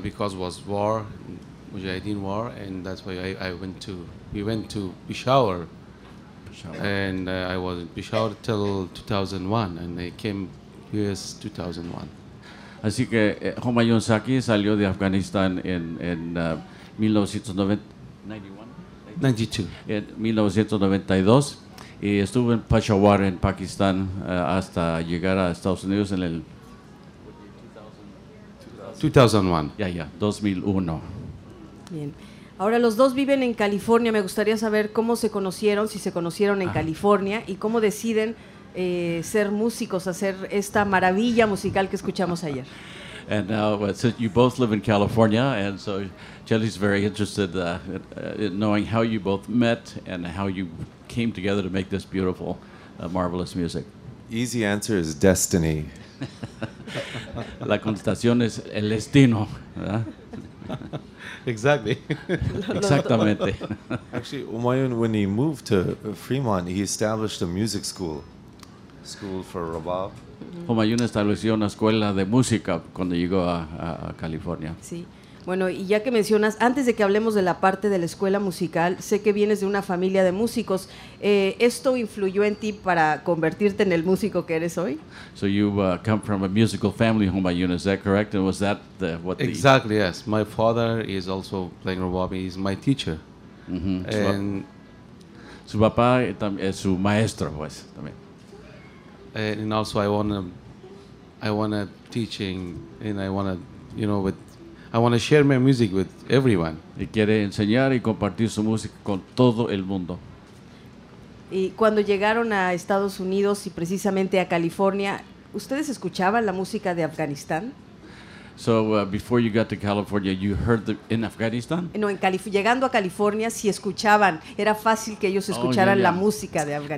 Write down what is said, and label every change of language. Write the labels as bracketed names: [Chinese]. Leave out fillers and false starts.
[English] Because it was war, Mujahideen war, and that's why we went to Peshawar. And I was in Peshawar till 2001, and I came to US 2001. [Spanish] Así que Humayun Sahi salió de Afganistán en 1992, y estuvo en Peshawar, en Pakistán, hasta llegar a Estados Unidos en el 2001. Bien. Ahora los dos viven en California. Me gustaría saber cómo se conocieron, si se conocieron en California, y cómo deciden ser músicos, hacer esta maravilla musical que escuchamos ayer. [English] And now, so you both live in California, and so Chelis is very interested in knowing how you both met and how you came together to make this beautiful, marvelous music. Easy answer is destiny. [Spanish] La contestación es el destino, ¿verdad? [English] Exactly. [Spanish] Exactamente. [English] Actually, Humayun, when he moved to Fremont, he established a music school. School for Rabab. [Spanish] Humayun estableció una escuela de música cuando llegó a California. Sí. Bueno, y ya que mencionas, antes de que hablemos de la parte de la escuela musical, sé que vienes de una familia de músicos. ¿Esto influyó en ti para convertirte en el músico que eres hoy? [English] So you come from a musical family, Humayun, is that correct? And was that the, what the... Exactly, yes. My father is also playing rabab. He's my teacher. [Spanish] Mm-hmm. And su papá es su maestro, pues, también. [English] And also I wanna teaching, and I wanna share my music with everyone. [Spanish] Y quiere enseñar y compartir su música con todo el mundo. Y cuando llegaron a Estados Unidos y precisamente a California, ¿ustedes escuchaban la música de Afganistán? [English] So before you got to California, you heard the, in Afghanistan? [Spanish] No, en llegando a California, si escuchaban, era fácil que ellos escucharan la música de Afganistán.